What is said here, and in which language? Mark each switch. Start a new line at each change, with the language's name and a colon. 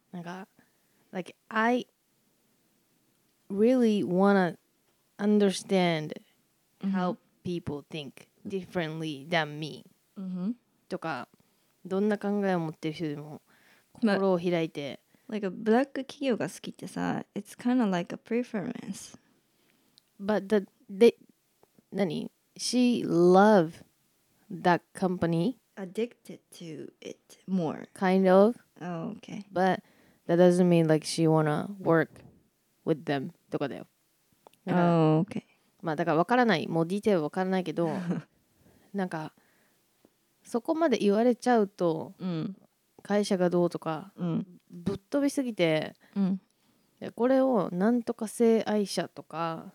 Japanese: なんか
English: like I really wanna understand how people think differently than me、うん、
Japanese: とかどんな考えを持ってる人でも心を開いて、
English: like a black
Japanese: 企業が好きってさ、
English: it's kind of like a preference. But the they, 何 she love that company. Addicted to it more. Kind of. Oh, okay. But that doesn't mean like she wanna work with them.
Japanese: とかだよ。
English: Oh, okay.
Japanese: まあだからわからない。もうディテールわからないけど、なんかそこまで言われちゃうと、うん、会社がどうとか、うん、ぶっ飛びすぎて、うん、これをなんとか性愛者とか、